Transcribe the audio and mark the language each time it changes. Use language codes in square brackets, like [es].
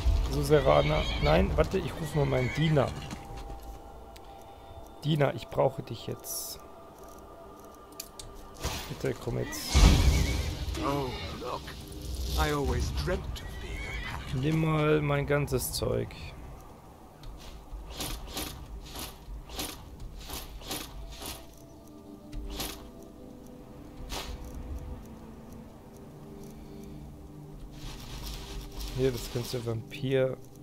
[de] So, Serana. Nein, warte, ich rufe mal meinen Diener. Diener, ich brauche dich jetzt. Bitte, komm jetzt. [en] Oh, look. I always dreamt of being a... [de] Nimm mal mein ganzes Zeug. Hier, das ganze Vampir.